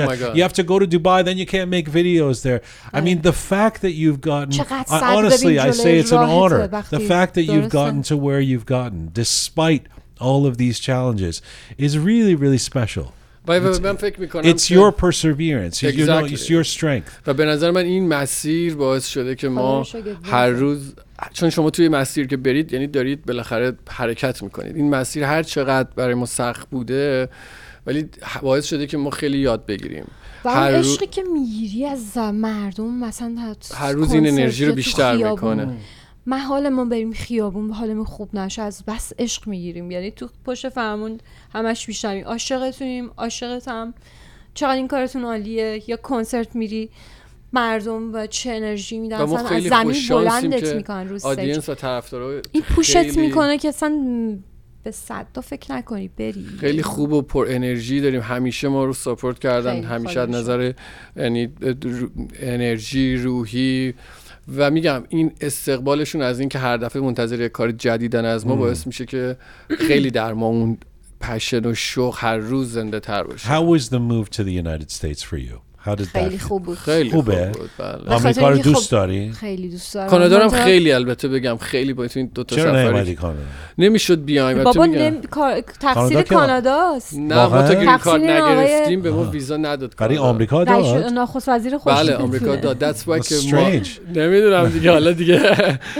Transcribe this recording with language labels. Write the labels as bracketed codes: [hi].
[en] Oh my God. You have to go to Dubai, then you can't make videos there. I mean, the fact that you've gotten... honestly, I say it's an honor. The fact that you've gotten to where you've gotten, despite all of these challenges, is really, really special. It's your perseverance. Exactly. You know, it's your strength. [fa] و به نظر من این مسیر باعث شده که ما هر روز چون شما توی مسیر که برید یعنی دارید بالاخره حرکت میکنید. این مسیر هر چقدر برای ما سخت بوده ولی باعث شده که ما خیلی یاد بگیریم. و هر عشقی که میگیری از مردم مثلا هر روز این انرژی رو بیشتر میکنه. ما حال ما بریم خیابون به حال ما خوب نشه از بس عشق میگیریم، یعنی تو پشت فرمون همش بیشتر عاشقتونیم، عاشقتم، چقدر این کارتون عالیه، یا کنسرت میری مردم و چه انرژی میدن اصلا از زمین بلندت میکنن روز آدینس و طرفدارا این پوشت خیلی... میکنه که اصلا به صد تا فکر نکنی بری. خیلی خوب و پر انرژی داریم، همیشه ما رو ساپورت کردن، همیشه از نظر یعنی انرژی روحی و میگم این استقبالشون از این که هر دفعه منتظر یک کار جدیدن از ما باعث میشه که خیلی در ما اون پشن و شوق هر روز زنده تر باشه. [en] How was the move to the United States for you? How did [fa] خیلی خوب بود. خیلی خوب بود. بله. آمریکا رو دوست داری؟ خیلی دوست دارم. کانادا هم خیلی البته بگم خیلی با این دو تا سفر. چرا نمیدی کانادا؟ نمیشد بیایم. بابا تقصیر کانادا است. نه ما تا گرین کارت نگرفتیم به ما ویزا نداد کانادا. برای آمریکا داد. نخست وزیر خوش. بله آمریکا داد. [en] That's why [fa] که ما نمیدونم دیگه حالا دیگه.